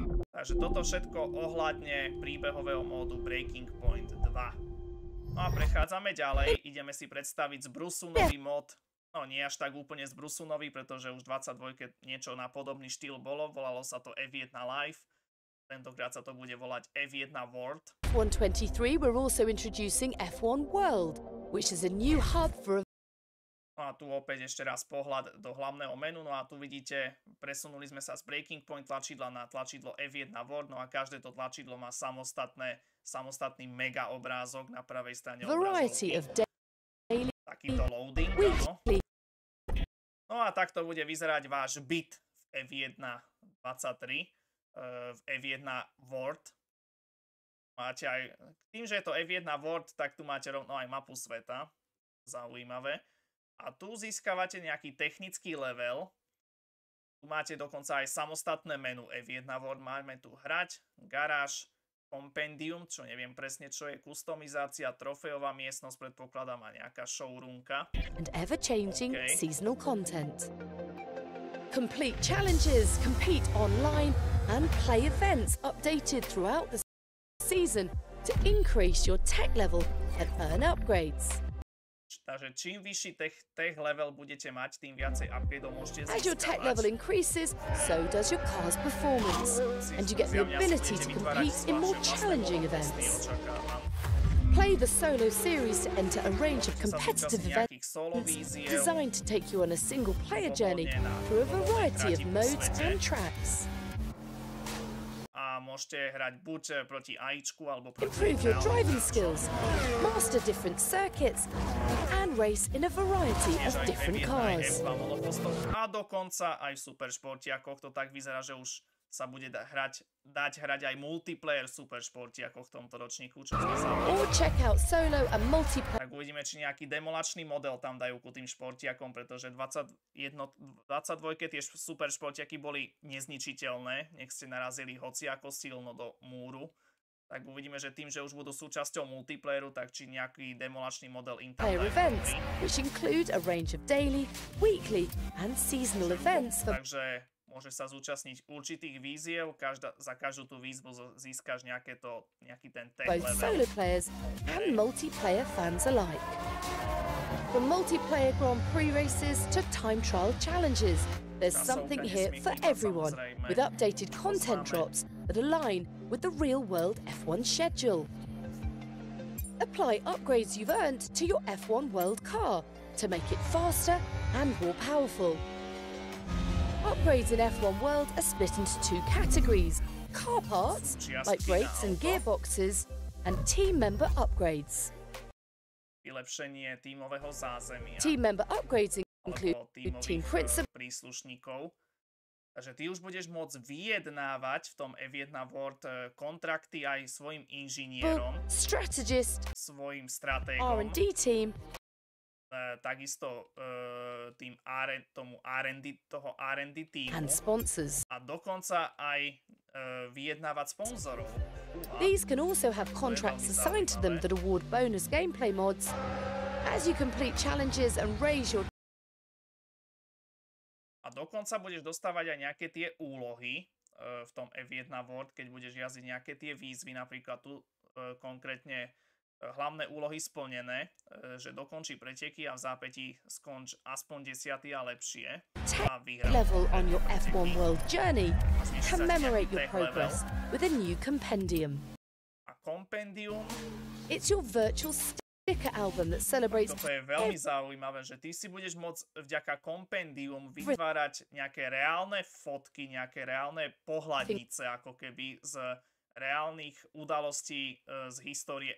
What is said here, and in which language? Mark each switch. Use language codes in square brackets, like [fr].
[sk] Takže toto všetko ohľadne príbehového módu Breaking Point 2. No a prechádzame ďalej, ideme si predstaviť zbrusu nový mód. No nie až tak úplne zbrusu nový, pretože už 22 niečo na podobný štýl bolo, volalo sa to F1 Live. Tentokrát sa to bude volať F1 World. [en] We're also introducing F1 World, which is a new hub for. [sk] No a tu opäť ešte raz pohľad do hlavného menu. No a tu vidíte, presunuli sme sa z Breaking Point tlačidla na tlačidlo F1 World. No a každé to tlačidlo má samostatný mega obrázok na pravej strane obrazovky. Takýto loading, No a takto bude vyzerať váš byt v F1 23. V F1 World. Máte aj, tým, že je to F1 World, tak tu máte rovno aj mapu sveta. Zaujímavé. A tu získavate nejaký technický level. Tu máte dokonca aj samostatné menu F1 World. Máme tu hrať, garáž, kompendium, čo neviem presne, čo je kustomizácia, trofejová miestnosť, predpokladám, a nejaká showroomka. [en] And ever-changing okay. Seasonal content. Complete challenges, compete online and play events updated throughout the season to increase your tech level and earn upgrades. [sk] Takže čím vyšší tech level budete mať, tým viacej upgradeov môžete získavať. [en] As your tech level increases, so does your car's performance. And you get the ability to compete in more challenging events. Play the solo series to enter a range of competitive events designed to take you on a single player journey through a variety of modes and tracks. [sk] A môžete hrať buď proti AIčku alebo proti. [en] Improve your driving skills, master different circuits and race in a variety of different cars. [sk] A dokonca aj v superšportiakoch to tak vyzerá, že už sa bude dať hrať aj multiplayer v superšportiakoch v tomto ročníku, čo sme sa [en] or check out solo and multiplayer. [sk] Tak uvidíme, či nejaký demolačný model tam dajú ku tým športiakom, pretože 22 tie superšportiaky boli nezničiteľné, nech ste narazili hociako silno do múru. Tak uvidíme, že tým, že už budú súčasťou multiplayeru, tak či nejaký demolačný model im tam dajú. [en] Events, which include a range of daily, weekly and seasonal events. [sk] Takže môže sa zúčastniť určitých výziev, za každú tú výzvu získaš nejaký ten tech level. [en] Both solo players and multiplayer fans alike. From multiplayer Grand Prix races to time trial challenges, there's something here for everyone with updated content drops that align with the real world F1 schedule. Apply upgrades you've earned to your F1 world car to make it faster and more powerful. Upgrades in F1 World are split into two categories: car parts, like brakes and gearboxes, and team member upgrades. [sk] Vylepšenie tímového zázemia. [en] Team member upgrades. [sk] alebo tímových príslušníkov, že ty už budeš môcť vyjednávať v tom F1 World kontrakty aj svojim inžinierom, svojim stratégom, [en] R&D team. [sk] Takisto tým tomu R&D, toho R&D týmu [en] and sponsors. [sk] A dokonca aj vyjednávať sponzorov. [en] These can also have contracts assigned to them that award bonus gameplay mods as you complete challenges and raise your... [sk] A dokonca budeš dostávať aj nejaké tie úlohy v tom F1 World, keď budeš jazdiť nejaké tie výzvy, napríklad tu konkrétne hlavné úlohy splnené, že dokončí preteky a v zápätí skonč aspoň 10. a lepšie. A [en] level on your F1 World journey. Commemorate your progress with a new compendium. A compendium? It's your virtual sticker album that celebrates. [sk] To je veľmi zaujímavé, že ty si budeš môcť vďaka compendium vytvárať nejaké reálne fotky, nejaké reálne pohľadnice, ako keby z reálnych udalostí z histórie